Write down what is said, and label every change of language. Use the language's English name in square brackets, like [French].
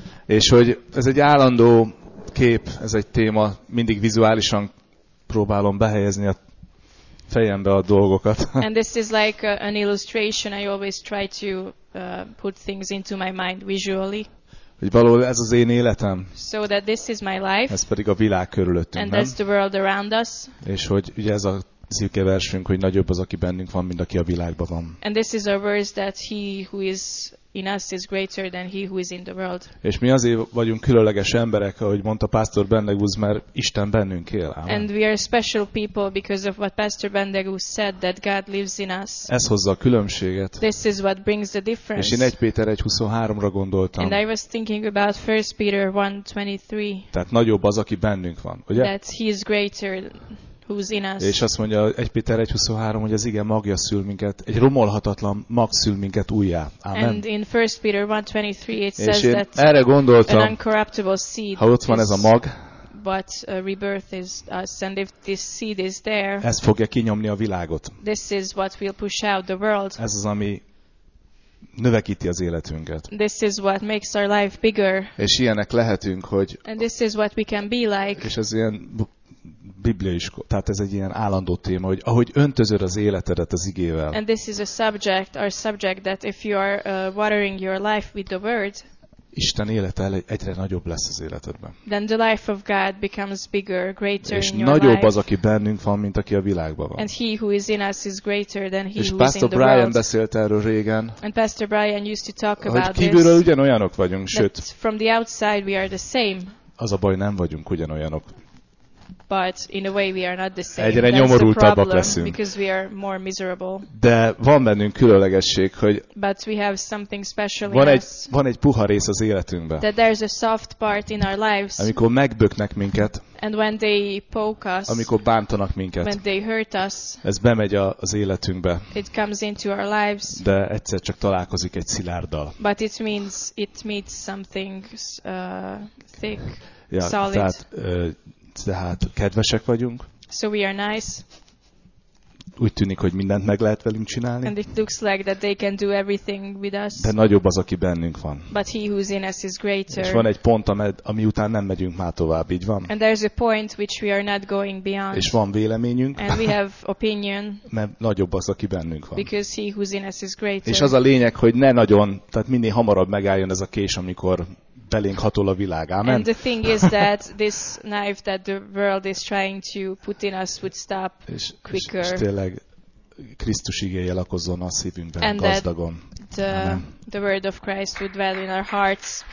[Hungarian] És hogy ez egy állandó kép, ez egy téma, mindig vizuálisan próbálom behelyezni a fejembe a dolgokat. [English] And this is like an illustration, I always try to put things into my mind visually. [Hungarian] Hogy valahol ez az én életem. [English] So that this is my life. [Hungarian] Ez pedig a világ körülöttünk, [English] and [Hungarian] nem? [English] That's the world around us. [Hungarian] És hogy ugye ez a szívke versünk, hogy nagyobb az, aki bennünk van, mint aki a világban van. [English] And this is our verse that he who is in us is greater than he who is in the world. [Hungarian] És mi azért vagyunk különleges emberek, ahogy mondta Pastor Bendegúz, mert Isten bennünk él. Amen. [English] And we are special people because of what Pastor Bendegúz said, that God lives in us. [Hungarian] Ez hozza a különbséget. [English] This is what brings the difference. [Hungarian] És én 1 Péter 1:23-ra gondoltam. [English] And I was thinking about 1 Peter 1:23. [Hungarian] Tehát nagyobb az, aki bennünk van, ugye? [English] That he is greater who's in us. [Hungarian] És azt mondja 1 Péter 1:23, hogy az ige magja szül minket, egy romolhatatlan mag szül minket újjá. Amen. [English] And in 1 Peter 1:23 it says that [Hungarian] erre gondoltam, [English] an incorruptible seed, [Hungarian] ha ott van ez a mag, [English] but a rebirth is us, and if this seed is there, [Hungarian] ez fogja kinyomni a világot. [English] This is what will push out the world. [Hungarian] Ez az, ami növekíti az életünket. [English] This is what makes our life bigger. [Hungarian] És ilyenek lehetünk, hogy [English] and this is what we can be like. [Hungarian] És ez ilyen bibliaiskor, tehát ez egy ilyen állandó téma, hogy ahogy öntözöd az életedet az igével. [English] And this is a subject, our subject, that if you are watering your life with the word, [Hungarian] Isten élete egyre nagyobb lesz az életedben. [English] Then the life of God becomes bigger, greater [Hungarian] és [English] in your life. [Hungarian] És nagyobb az, aki bennünk van, mint aki a világban van. [English] And he who is in us is greater than he [Hungarian] és [English] who Pastor is in the Brian [Hungarian] És Pastor Brian beszélt erről régen. [English] And Pastor Brian used to talk about this. [Hungarian] Hogy kívülről ugyanolyanok vagyunk, sőt. [English] From the outside we are the same. [Hungarian] Az a baj, nem vagyunk ugyanolyanok. [English] But in a way we are not the same. [Hungarian] Egyre nyomorultabbak leszünk. [English] Because we are more miserable. [Hungarian] De van bennünk különlegesség, hogy [English] but we have something special in us. [Hungarian] Van egy puha rész az életünkben. [English] That there's a soft part in our lives. [Hungarian] Amikor megböknek minket. [English] And when they poke us. [Hungarian] Amikor bántanak minket. [English] When they hurt us. [Hungarian] Ez bemegy az életünkbe. [English] It comes into our lives. [Hungarian] De egyszer csak találkozik egy szilárddal. [English] But it means it meets something thick, [Hungarian] ja, [English] solid. [Hungarian] Tehát, tehát kedvesek vagyunk. [English] So we are nice. [Hungarian] Úgy tűnik, hogy mindent meg lehet velünk csinálni. [English] And it looks like that they can do everything with us. [Hungarian] De nagyobb az, aki bennünk van. [English] But he who's in us is greater. [Hungarian] És van egy pont, ami után nem megyünk már tovább, így van. [English] And there's a point which we are not going beyond. [Hungarian] És van véleményünk. [English] And we have opinion. [Hungarian] Mert nagyobb az, aki bennünk van. [English] Because he who's in us is greater. [Hungarian] És az a lényeg, hogy ne nagyon, tehát minél hamarabb megálljon ez a kés, amikor felénk hatol a világ. Amen. [English] And the thing is that this knife that the world is trying to put in us would stop quicker. [Hungarian] És tényleg Krisztus igéje lakozzon a szívünkben [English] and [Hungarian] gazdagon. [English] And the word of Christ would dwell in our hearts.